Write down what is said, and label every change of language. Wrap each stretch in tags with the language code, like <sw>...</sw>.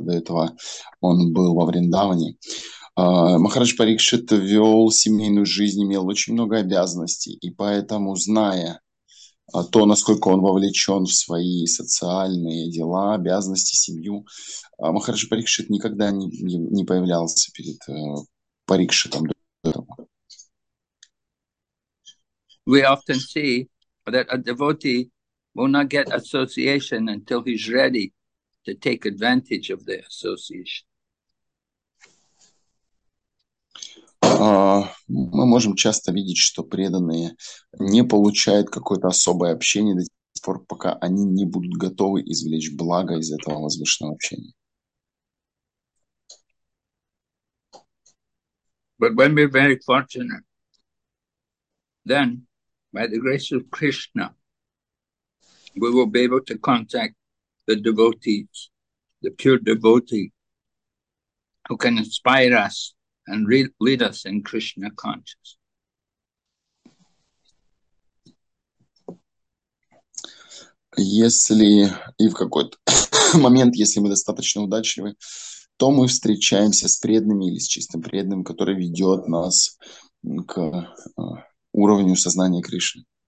<ru>До этого он был во Вриндаване. Махарадж Парикшит вел семейную жизнь, имел очень много обязанностей, и поэтому, зная то, насколько он вовлечен в свои социальные дела, обязанности, семью, Махарадж Парикшит никогда не появлялся перед Парикшитом до этого.</ru> <en>We often see that a devotee will not get association until he's ready to take advantage of the association.</en> <ru>Мы можем часто видеть, что преданные не получают какое-то особое общение до тех пор, пока они не будут готовы извлечь благо из этого возвышенного общения.</ru> <en>But when we're very fortunate, then by the grace of Krishna, we will be able to contact the devotees, the pure devotee, who can inspire us and lead us in Krishna consciousness.</en> <ru>Если и в какой-то момент, если мы достаточно удачливы, то мы встречаемся с преданными или с чистым преданным, который ведет нас к уровню сознания Кришны.</ru>